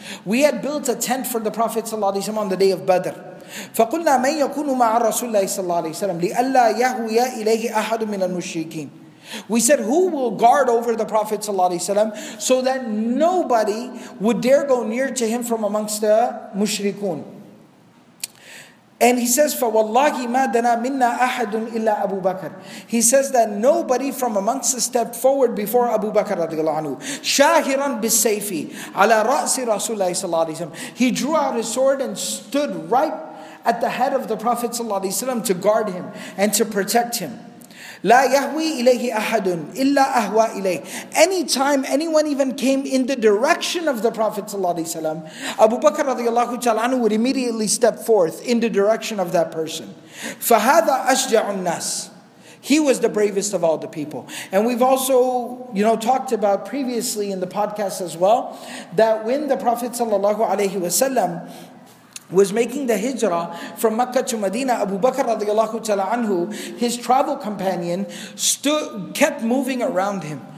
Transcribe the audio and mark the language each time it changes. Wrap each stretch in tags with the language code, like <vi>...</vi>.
<en>We had built a tent for the Prophet ﷺ on the day of Badr.</en> <ar>فَقُلْنَا مَنْ يَكُونُ مَعَ الرَّسُولِ اللَّهِ صَلَّى اللَّهِ عَلَيْهِ وَسَلَّمَ لِأَلَّا يَهْوِيَ إِلَيْهِ أَحَدٌ مِنَ الْمُشْرِكِينَ.</ar> <en>We said, who will guard over the Prophet ﷺ so that nobody would dare go near to him from amongst the mushrikun? And he says,</en> <ar>فَوَاللَّهِ مَا دَنَا مِنَّا أَحَدٌ إِلَّا أَبُو بَكَرٍ.</ar> <en>He says that nobody from amongst us stepped forward before Abu Bakr radiallahu anhu.</en> <ar>شَاهِرًا بِالسَّيْفِ عَلَى رَأْسِ رَسُولِ اللَّهِ صَلَّى اللَّهِ عَلَيْهِ وَسَلَّمَ.</ar> <en>He drew out his sword and stood right at the head of the Prophet ﷺ to guard him and to protect him.</en> <ar>لا يهوي إليه أحد إلا أهوى إليه.</ar> <en>Anytime anyone even came in the direction of the Prophet ﷺ, Abu Bakr radiallahu ta'ala anhu would immediately step forth in the direction of that person.</en> <ar>فهذا أشجع الناس.</ar> <en>He was the bravest of all the people. And we've also, you know, talked about previously in the podcast as well, that when the Prophet ﷺ was making the hijrah from Makkah to Medina, Abu Bakr radiallahu ta'ala anhu, his travel companion, kept moving around him.</en>